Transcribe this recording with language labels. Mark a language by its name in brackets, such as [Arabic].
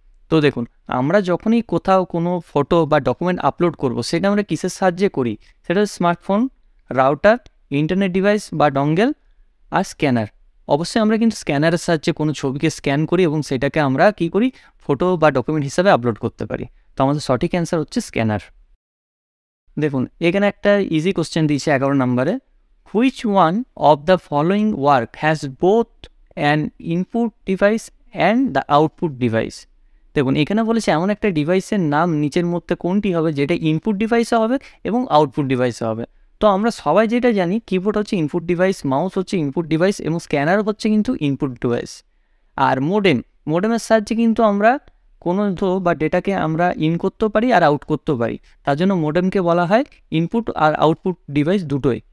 [Bangla] তো দেখুন আমরা যখনই কোথাও কোনো ফটো বা ডকুমেন্ট আপলোড করব সেটা আমরা কিসের সাহায্যে করি, সেটা হচ্ছে স্মার্টফোন, রাউটার, ইন্টারনেট ডিভাইস বা ডঙ্গেল আর স্ক্যানার। অবশ্যই আমরা কিন্তু স্ক্যানারের সাহায্যে কোনো ছবিকে স্ক্যান করি এবং সেটাকে আমরা কী করি, ফটো বা ডকুমেন্ট হিসাবে আপলোড করতে পারি। তো আমাদের সঠিক অ্যান্সার হচ্ছে স্ক্যানার। দেখুন এখানে একটা ইজি কোশ্চেন দিয়েছে 11 নম্বরে, [English] Which one of the following work has both an input device and the output device? [Bangla] দেখুন এখানে বলেছে এমন একটা ডিভাইসের নাম নিচের মধ্যে কোনটি হবে যেটা ইনপুট ডিভাইসে হবে এবং আউটপুট ডিভাইসে হবে। তো আমরা সবাই যেটা জানি কিবোর্ড হচ্ছে ইনপুট ডিভাইস, মাউস হচ্ছে ইনপুট ডিভাইস এবং স্ক্যানার হচ্ছে কিন্তু ইনপুট ডিভাইস। আর মোডেম, মোডেমের সাহায্যে কিন্তু আমরা কোনো তথ্য বা ডেটাকে আমরা ইন করতে পারি আর আউট করতে পারি, তার জন্য মোডেমকে বলা হয় ইনপুট আর আউটপুট ডিভাইস দুটোই।